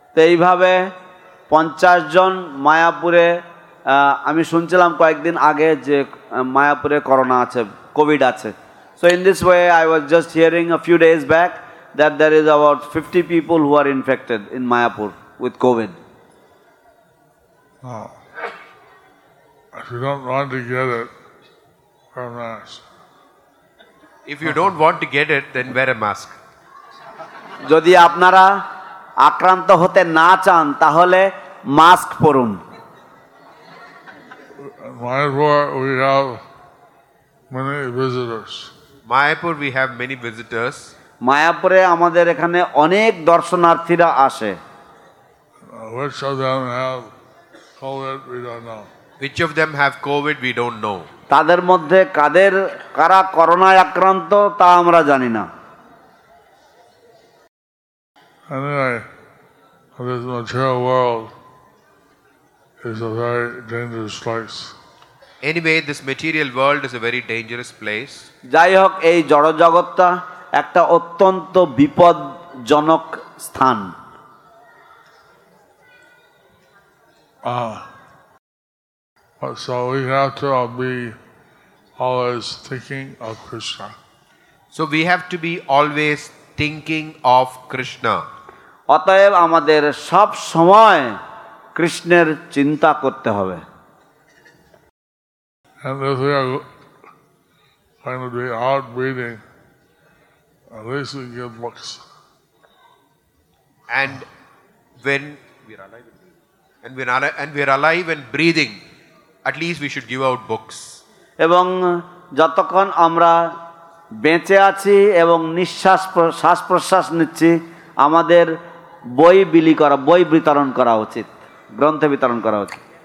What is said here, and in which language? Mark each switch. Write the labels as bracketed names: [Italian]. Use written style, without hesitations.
[Bangla] এইভাবে পঞ্চাশ জন মায়াপুরে আমি শুনছিলাম কয়েকদিন আগে যে মায়াপুরে করোনা আছে কোভিড আছে [English] So in this way, I was just hearing a few days back that there is about 50 people who are infected in Māyāpur with COVID. Oh. If you don't want to get it, wear a mask. If you don't want to get it, then wear a mask. [Bangla] Jodi apnara akranto hote na chan, tahole mask porun. [English] In Māyāpur, we have many visitors. Māyāpur, we have many visitors. [Bangla] Māyāpure amader ekhane onek darshanarthira ashe. [English] Which of them have COVID, we don't know. Which of them have COVID, we don't know. [Bangla] Tader moddhe kader kara corona akranto ta amra jani na. [English] Anyway, this material world is a very dangerous place. Anyway, this material world is a very dangerous place. [Bangla] যাই হোক এই জড় জগৎটা একটা অত্যন্ত বিপদজনক স্থান [English] So we have to be always thinking of Krishna. So we have to be always thinking of Krishna. [Bangla] অতএব আমাদের সব সময় কৃষ্ণের চিন্তা করতে হবে [English] And if we are going to be out breathing, at least we give books. And when we are alive and breathing, at least we should give out books. [Bangla] এবং যতক্ষণ আমরা বেঁচে আছি এবং নিঃশ্বাস শ্বাস প্রশ্বাস নিচ্ছি আমাদের বই বিলি করা বই বিতরণ করা উচিত গ্রন্থ বিতরণ করা উচিত